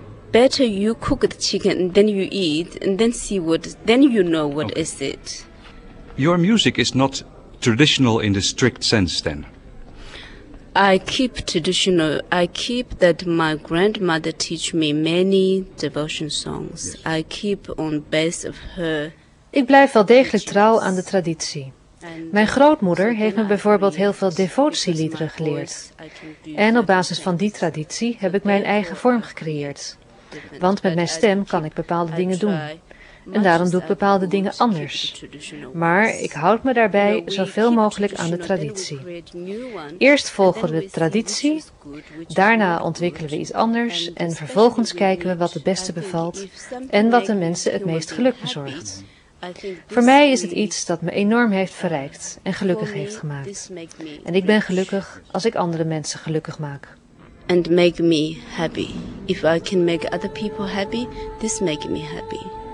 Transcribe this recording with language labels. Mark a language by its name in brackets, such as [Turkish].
[English] Better you cook the chicken and then you eat and then see what, then you know what okay. is it. Your music is not traditional in the strict sense then? I keep traditional. I keep that my grandmother teach me many devotion songs. Yes. I keep on base of her. [Dutch] Ik blijf wel degelijk trouw aan de traditie. Mijn grootmoeder heeft me bijvoorbeeld heel veel devotieliederen geleerd. En op basis van die traditie heb ik mijn eigen vorm gecreëerd. Want met mijn stem kan ik bepaalde dingen doen. En daarom doe ik bepaalde dingen anders. Maar ik houd me daarbij zoveel mogelijk aan de traditie. Eerst volgen we de traditie, daarna ontwikkelen we iets anders en vervolgens kijken we wat het beste bevalt en wat de mensen het meest geluk bezorgt. Voor mij is het iets dat me enorm heeft verrijkt en gelukkig heeft gemaakt. En ik ben gelukkig als ik andere mensen gelukkig maak. [English] And make me happy. If I can make other people happy, this makes me happy.